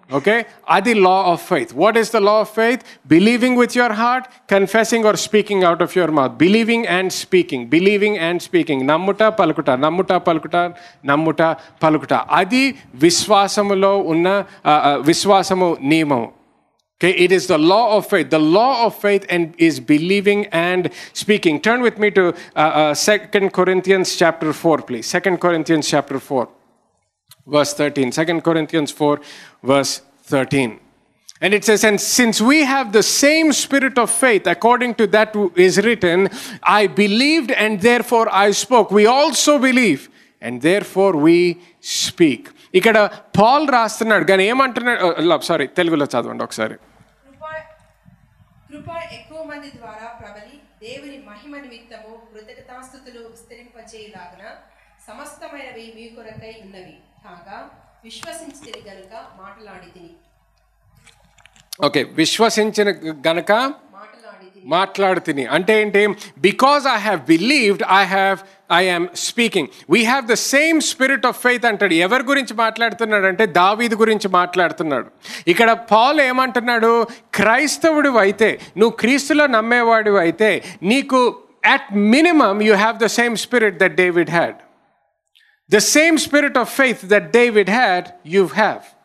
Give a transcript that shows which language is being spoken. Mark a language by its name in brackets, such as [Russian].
[English] Okay, అది law of faith. What is the law of faith? Believing with your heart, confessing or speaking out of your mouth. Believing and speaking, believing and speaking. [Telugu] నమ్ముట పలుకుట, నమ్ముట పలుకుట, నమ్ముట పలుకుట, అది విశ్వాసములో ఉన్న విశ్వాసము నియమము. [English] Okay, it is the law of faith. The law of faith and is believing and speaking. Turn with me to 2 Corinthians chapter 4, please. 2 Corinthians chapter 4, verse 13. 2 Corinthians 4, verse 13. And it says, and since we have the same spirit of faith, according to that is written, I believed and therefore I spoke. We also believe and therefore we speak. [Telugu] ఇక్కడ Paul రాస్తున్నాడు, కానీ ఏమంటున్నాడు? Love, sorry, తెలుగులో చదవండి ఒకసారి. కృప ఎక్కువ మంది ద్వారా ప్రబలి దేవుని మహిమ నిమిత్తము కృతజ్ఞతాస్తుతులు విస్తరింపచేయలాగున సమస్తమైనవి మీ కొరకై ఉన్నవి, కాగా విశ్వసించి గనుక మాట్లాడితిని. ఓకే, విశ్వసించిన గనుక మాట్లాడుతుంది అంటే ఏంటి? [English] Because I have believed I am speaking. We have the same spirit of faith [Telugu] అంటాడు. ఎవరి గురించి మాట్లాడుతున్నాడు అంటే దావీదు గురించి మాట్లాడుతున్నాడు. ఇక్కడ పాల్ ఏమంటున్నాడు? క్రైస్తవుడు అయితే, నువ్వు క్రీస్తులో నమ్మేవాడు అయితే, నీకు [English] At minimum you have the same spirit that David had. The same spirit of faith that David had, you have.